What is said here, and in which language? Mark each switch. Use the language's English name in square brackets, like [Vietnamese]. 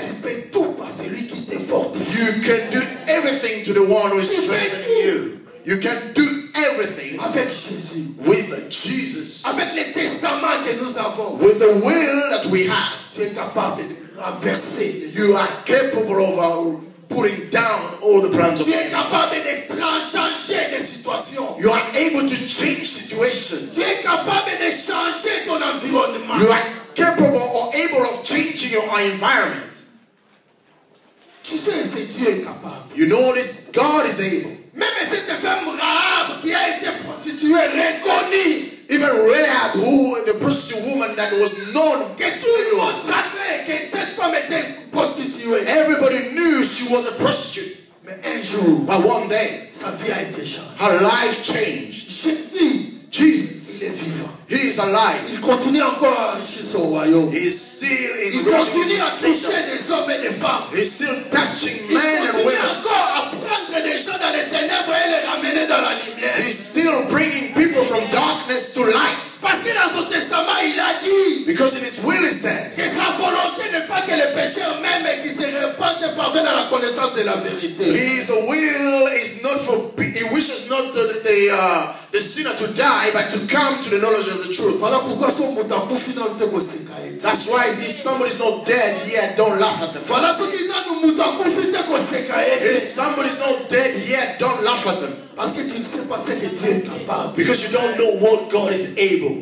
[French] tu peux tout par celui qui te fortifie. [English] You can do everything to the one who is strengthening you. You can do everything [French] avec Jésus. [English] With Jesus. [French] Avec le testament que nous avons. [English] With the will that we have. [French] Tu es capable de renverser les [English] you are capable of putting down all the plans of God. [French] Tu es capable de changer les situations. [English] You are able to change situations. [French] Tu es capable de changer ton environnement. [English] You are capable or able of changing your environment. [French] Tu sais, c'est Dieu est capable. [English] You know this, God is able. [French] Même cette femme Rahab qui a été prostituée reconnue. [English] Even Rahab, who the prostitute woman that was known, everybody knew she was a prostitute. But one day, her life changed. Jesus, he is alive. [French] Il continue encore à son royaume. [English] He is still in [French] il continue à toucher des hommes et des femmes. [English] He is still touching men and women. [French] Il continue à prendre des gens dans les ténèbres et les ramener dans la lumière. [English] He is still bringing people from darkness to light. [French] Parce que dans son testament, il a dit. [English] Because in his will, he said. [French] Que sa volonté n'est pas que les pécheurs même et qui se repentent parviennent à la connaissance de la vérité. [English] His will is not for. He wishes not that they the sinner to die, but to come to the knowledge of the truth. That's why if somebody's not dead yet, don't laugh at them. If somebody's not dead yet, don't laugh at them. [French] Parce que tu ne sais pas ce que Dieu est capable. [English] Because you don't know what God is able.